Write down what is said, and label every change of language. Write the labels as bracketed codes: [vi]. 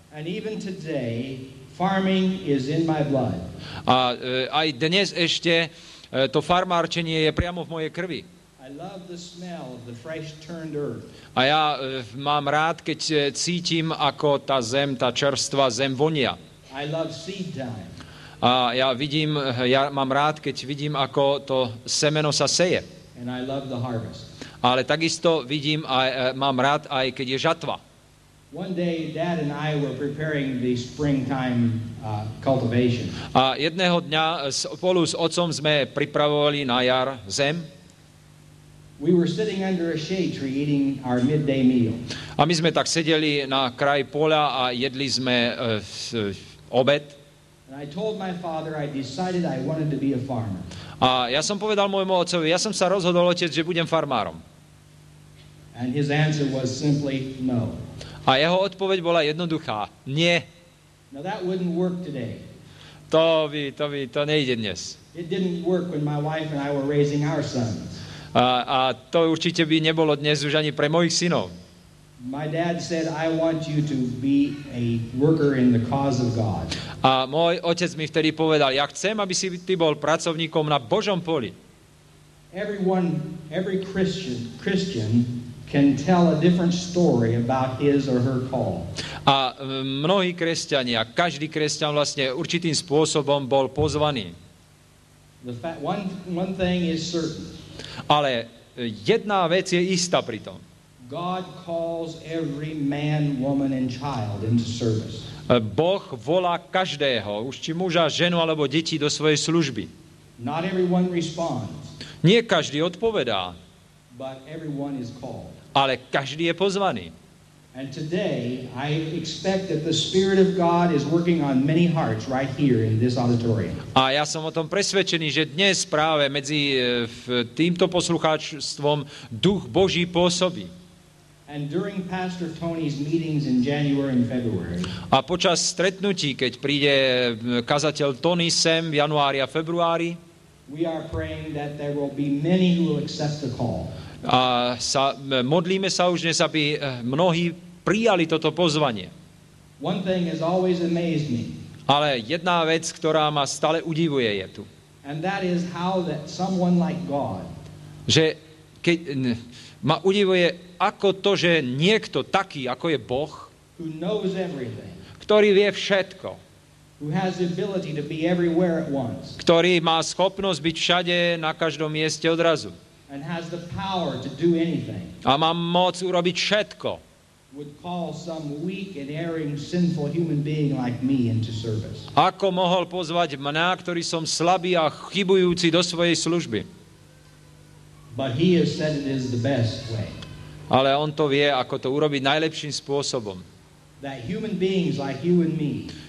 [en] And even today, farming is in my blood. [sk] A aj dnes ešte to farmárčenie je priamo v mojej krvi. [en] I love the smell of the fresh turned earth. [sk] A ja mám rád, keď cítim, ako tá zem, tá čerstvá zem vonia. [en] I love seed time. [sk] A ja vidím, ja mám rád, keď vidím, ako to semeno sa seje. [en] And I love the harvest. [sk] Ale takisto vidím a mám rád aj keď je žatva. [en] One day Dad and I were preparing the springtime cultivation. [sk] A jedného dňa spolu s otcom sme pripravovali na jar zem. [en] We were sitting under a shade tree eating our midday meal. [sk] A my sme tak sedeli na kraji poľa a jedli sme obed. [en] And I told my father I decided I wanted to be a farmer. [sk] A ja som povedal môjmu otcovi, ja som sa rozhodol, otec, že budem farmárom. [en] And his answer was simply no. [sk] A jeho odpoveď bola jednoduchá. Nie. [en] Now that wouldn't work today. [sk] To nejde dnes. [en] It didn't work when my wife and I were raising our sons. [sk] A to určite by nebolo dnes už ani pre mojich synov. [en] My dad said I want you to be a worker in the cause of God. [sk] A môj otec mi vtedy povedal, ja chcem, aby si ty bol pracovníkom na Božom poli. [en] Everyone, every Christian can tell a different story about his or her call. [sk] A mnohí kresťania, každý kresťan vlastne určitým spôsobom bol pozvaný. [en] One thing is certain. [sk] Ale jedna vec je istá pri tom. [en] God calls every man, woman and child into service. [sk] Boh volá každého, už či muža, ženu alebo deti do svojej služby. [en] Not everyone responds. [sk] Nie každý odpovedá. [en] But everyone is called. [sk] Ale každý je pozvaný. [en] And today I expect that the Spirit of God is working on many hearts right here in this auditorium. [sk] A ja som o tom presvedčený, že dnes práve medzi týmto poslucháčstvom Duch Boží pôsobí. [en] And during Pastor Tony's meetings in January and February. [sk] A počas stretnutí, keď príde kazateľ Tony sem v januári a februári, [en] we are praying that there will be many who will accept the call. [sk] A sa, modlíme sa už dnes, aby mnohí prijali toto pozvanie. [en] One thing has always amazed me. [sk] Ale jedna vec, ktorá ma stále udivuje, je tu. [en] And that is how that someone like God. [sk] Že keď ma udivuje, ako to, že niekto taký, ako je Boh, [en] who knows everything, [sk] ktorý vie všetko, [en] who has the ability to be everywhere at once, [sk] ktorý má schopnosť byť všade na každom mieste odrazu, [en] and has the power to do anything. [sk] A má moc urobiť všetko. [en] Would call some weak and erring sinful human being like me into service. [sk] Ako mohol pozvať mňa, ktorý som slabý a chybujúci do svojej služby? [en] But he has said it is the best way. [sk] Ale on to vie, ako to urobiť najlepším spôsobom. [en] That human beings like you and me.